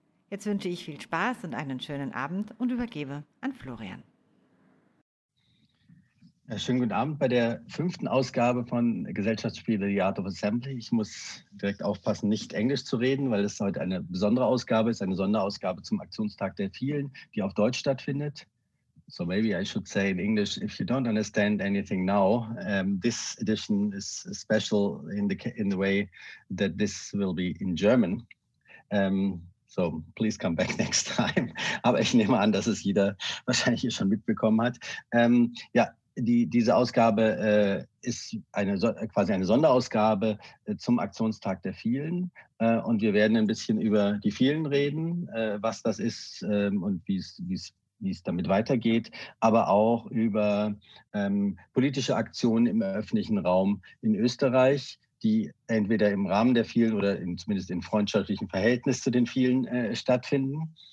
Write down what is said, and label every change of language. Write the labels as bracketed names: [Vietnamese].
[German] Jetzt wünsche ich viel Spaß und einen schönen Abend und übergebe an Florian. Ja, schönen guten Abend bei der 5. Ausgabe von Gesellschaftsspiele The Art of Assembly. Ich muss direkt aufpassen, nicht Englisch zu reden, weil es heute eine besondere Ausgabe ist, eine Sonderausgabe zum Aktionstag der Vielen, die auf Deutsch stattfindet. [English] So maybe I should say in English, if you don't understand anything now, this edition is special in the way that this will be in German. So please come back next time. [German] Aber ich nehme an, dass es jeder wahrscheinlich schon mitbekommen hat. Diese Ausgabe ist eine Sonderausgabe zum Aktionstag der Vielen. Und wir werden ein bisschen über die Vielen reden, was das ist und wie es damit weitergeht, aber auch über politische Aktionen im öffentlichen Raum in Österreich, die entweder im Rahmen der Vielen oder zumindest in freundschaftlichen Verhältnis zu den Vielen stattfinden.